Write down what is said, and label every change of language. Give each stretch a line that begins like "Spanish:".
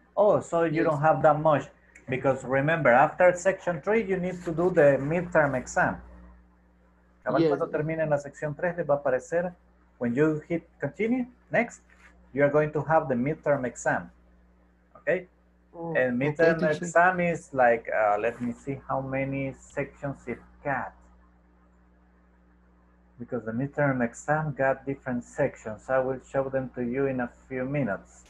English: Oh, so you yes. Don't have that much. Because remember, after section three, you need to do the midterm exam.
Spanish: Cuando termine la sección tres, le va a aparecer.
English: When you hit continue, next, you are going to have the midterm exam. Okay? Oh, and midterm exam is like, let me see how many sections it got. Because the midterm exam got different sections. I will show them to you in a few minutes.